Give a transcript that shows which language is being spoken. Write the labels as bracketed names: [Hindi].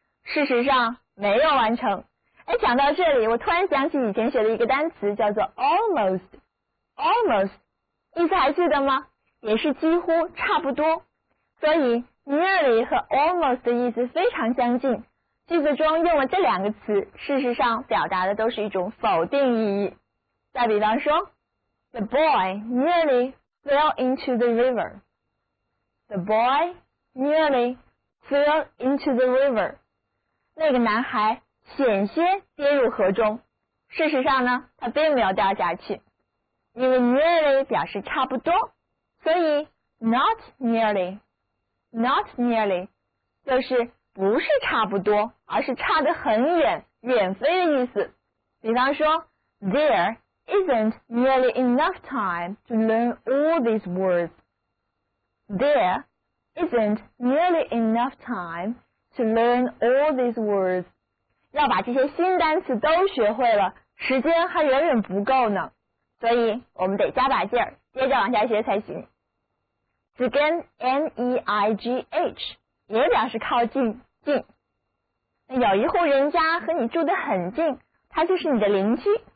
[Chinese] 事实上没有完成。哎，讲到这里，我突然想起以前学的一个单词叫做 almost。 almost, 意思还记得吗？也是几乎差不多。所以 nearly 和 almost 的意思非常相近。句子中用了这两个词，事实上表达的都是一种否定意义。再比方说 [English] ,the boy nearly fell into the river. The boy nearly fell into the river. [Chinese] 那个男孩险些跌入河中。事实上呢，他并没有掉下去。因为 nearly 表示差不多，所以 not nearly, not nearly 就是不是差不多，而是差得很远，远飞的意思。比方说 [English] ,there isn't nearly enough time to learn all these words. There isn't nearly enough time to learn all these words. [Chinese] 要把这些新单词都学会了，时间还远远不够呢。所以我们得加把劲儿，接着往下学才行。词根 N-E-I-G-H 也表示靠近，近。有一户人家和你住得很近，他就是你的邻居。